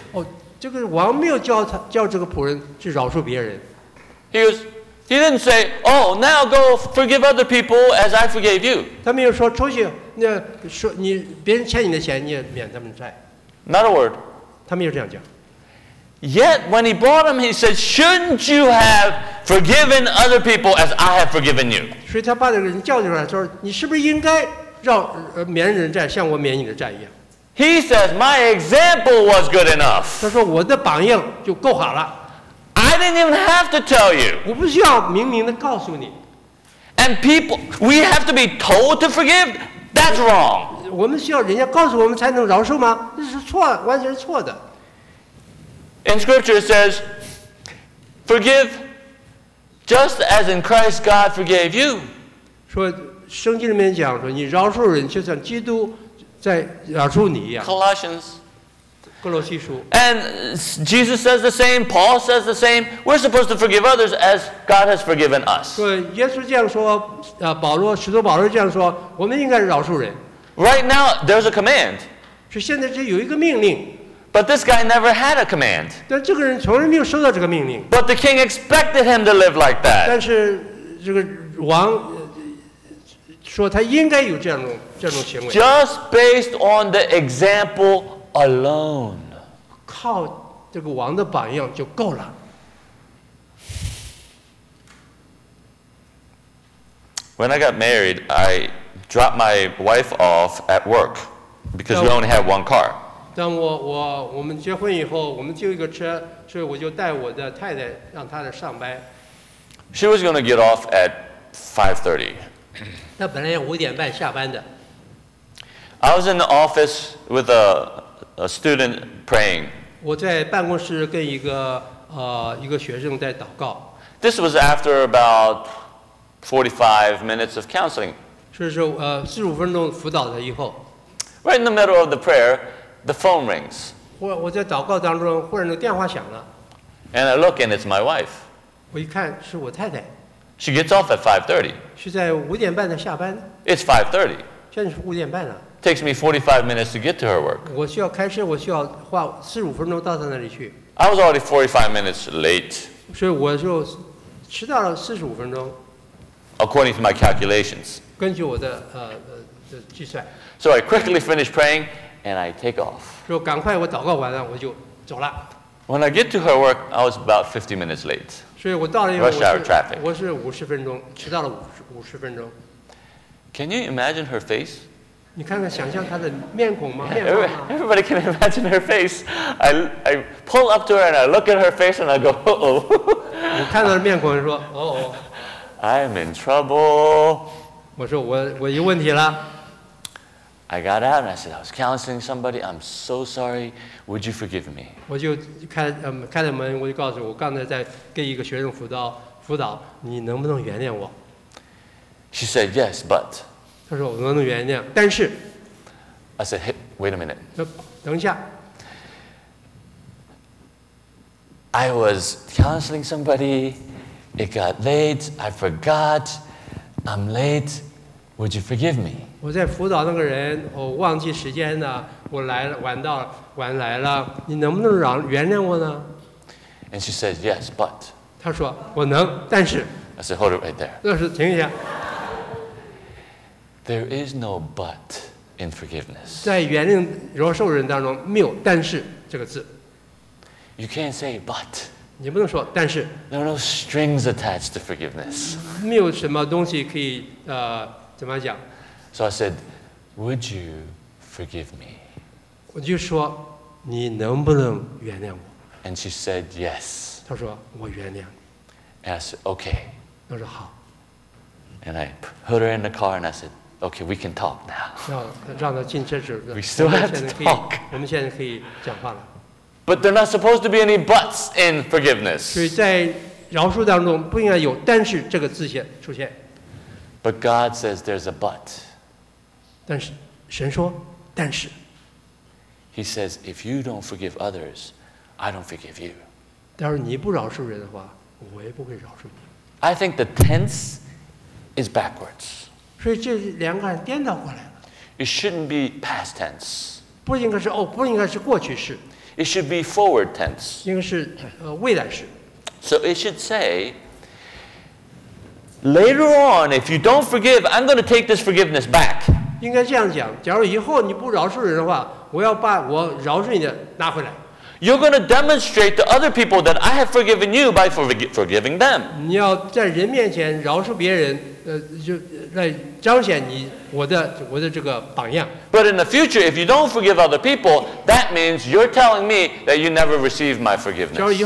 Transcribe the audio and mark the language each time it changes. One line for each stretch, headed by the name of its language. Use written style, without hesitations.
Chinese: 哦，这个王没有叫他叫这个仆人去饶恕别人。
English: He didn't say, "Oh, now go forgive other people as I forgave you."
Chinese: 他没有说出去，那说你别人欠你的钱，你也免他们债。
English: Not a word.
Chinese: 他没有这样讲。
English: Yet when he brought him, he said, "Shouldn't you have forgiven other people as I have forgiven you?"
Chinese: 所以他把这个人叫出来，说你是不是应该让免人债，像我免你的债一样。
English: He says, "My example was good enough."
Chinese: 他说我的榜样就够好了。
English: I didn't even have to tell you.
Chinese: 我不需要明明的告诉你。
English: And people, we have to be told to forgive. That's wrong.
Chinese: 我们需要人家告诉我们才能饶恕吗？这是错，完全是错的。
English: In Scripture it says, "Forgive, just as in Christ God forgave you."
Chinese: 说圣经里面讲说，你饶恕人，就像基督在饶恕你一样。
English: Colossians,
Chinese: 哥罗西书。
English: And Jesus says the same. Paul says the same. We're supposed to forgive others as God has forgiven us.
Chinese: 说耶稣这样说，保罗使徒保罗这样说，我们应该饶恕人。
English: Right now, there's a command.
Chinese: 是现在这有一个命令。
English: But this guy never had a command.
Chinese: 但这个人从来没有收到这个命令。
English: But the king expected him to live like that.
Chinese: 但是这个王说他应该有这种行为。
English: Just based on the example alone.
Chinese: 靠这个王的榜样就够了。
English: When I got married, I dropped my wife off at work because we only had one car.
Chinese: 当我们结婚以后，我们就一个车，所以我就带我的太太让她来上班。
English: She was going to get off at 5:30.
Chinese: 那本来要五点半下班的。
English: I was in the office with a student praying.
Chinese: 我在办公室跟一个学生在祷告。
English: This was after about 45 minutes of counseling.
Chinese: 所以说四十五分钟辅导了以后。
English: Right in the middle of the prayer. The phone rings.
Chinese: 我在祷告当中，忽然那电话响了。
English: And I look, and it's my wife.
Chinese: 我一看，是我太太。
English: She gets off at 5:30.
Chinese: 是在五点半才下班。
English: It's 5:30.
Chinese: 现在是五点半了。
English: Takes me 45 minutes to get to her work.
Chinese: 我需要开车，我需要花四五分钟到她那里去。
English: I was already 45 minutes late.
Chinese: 所以我就迟到了四十五分钟。
English: According to my calculations.
Chinese: 根据我的计算。
English: So I quickly finish praying. And I take off.
Chinese: 说赶快，我祷告完了，我就走了。
English: When I get to her work, I was about 50 minutes late.
Chinese: 所以我到了以后，
English: rush hour traffic.
Chinese: 我是五十分钟迟到了五十分钟。
English: Can you imagine her face?
Chinese: 你看看，想象她的面孔吗？
English: Everybody can imagine her face. I pull up to her and I look at her face and I go, uh-oh.
Chinese: 我看到面孔，说，哦哦。
English: I'm in trouble.
Chinese: 我说我有问题了。
English: I got out and I said, I was counseling somebody. I'm so sorry. Would you forgive me?
Chinese: 我就开了门，我就告诉我刚才在给一个学生辅导，你能不能原谅我？
English: She said, yes, but.
Chinese: 她说我能原谅，但是。
English: I said, hey, wait a minute.
Chinese: 等一下。
English: I was counseling somebody. It got late. I forgot. I'm late. Would you forgive me?
Chinese: 我在辅导那个人，我忘记时间了，我来了，晚来了，你能不能原谅我呢
English: ？And she says yes, but.
Chinese: 她说我能，但是。
English: I said hold it right there.
Chinese: 那是停一下。
English: There is no but in forgiveness.
Chinese: 在原谅饶恕人当中没有但是这个字。
English: You can't say but.
Chinese: 你不能说但是。
English: There are no strings attached to forgiveness.
Chinese: 没有什么东西可以怎么讲？
English: So I said, "Would you forgive me?"
Chinese: 我就说，你能不能原谅我
English: ？And she said, "Yes."
Chinese: 她说，我原谅你。
English: And I said, "Okay."
Chinese: 她说好。
English: And I put her in the car, and I said, "Okay, we can talk now."
Chinese: 让她进车时
English: ，We still have to talk.
Chinese: 我们现在可以讲话了。
English: But there are not supposed to be any buts in forgiveness.
Chinese: 所以在饶恕当中不应该有但是这个字眼出现。
English: But God says there's a but.
Chinese: 但是神说，但是。
English: He says if you don't forgive others, I don't forgive you.
Chinese: 但是你不饶恕人的话，我也不会饶恕你。
English: I think the tense is backwards.
Chinese: 所以这两个人颠倒过来了。
English: It shouldn't be past tense.
Chinese: 不应该是过去式。
English: It should be forward tense.
Chinese: 应该是未来式。
English: So it should say, later on, if you don't forgive, I'm going to take this forgiveness back.
Chinese: 应该这样讲, 假如以后你不饶恕人的话, 我要把我饶恕你的拿回来。
English: You're going to demonstrate to other people that I have forgiven you by forgiving them.
Chinese: 你要在人面前饶恕别人, 就来彰显你我的这个榜样。
English: But in the future, if you don't forgive other people, that means you're telling me that you never received my forgiveness.